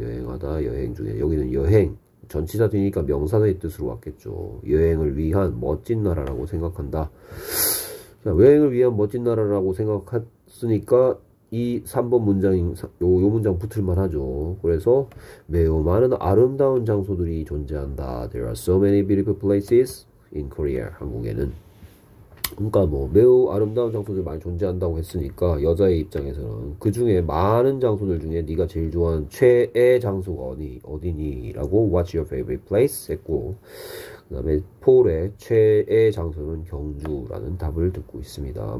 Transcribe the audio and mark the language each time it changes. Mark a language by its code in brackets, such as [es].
[ko] 여행하다, 여행 중에. 여기는 여행. 전치사 뒤니까 명사의 뜻으로 왔겠죠. 여행을 위한 멋진 나라라고 생각한다. 자, 여행을 위한 멋진 나라라고 생각했으니까 이 3번 문장, 요 문장 붙을만 하죠. 그래서 매우 많은 아름다운 장소들이 존재한다. [en] There are so many beautiful places in Korea. [ko] 한국에는. 그러니까 뭐 매우 아름다운 장소들이 많이 존재한다고 했으니까 여자의 입장에서는 그 중에 많은 장소들 중에 네가 제일 좋아하는 최애 장소가 어디니? 라고 [en] What's your favorite place? [ko] 했고 그 다음에 폴의 최애 장소는 경주라는 답을 듣고 있습니다.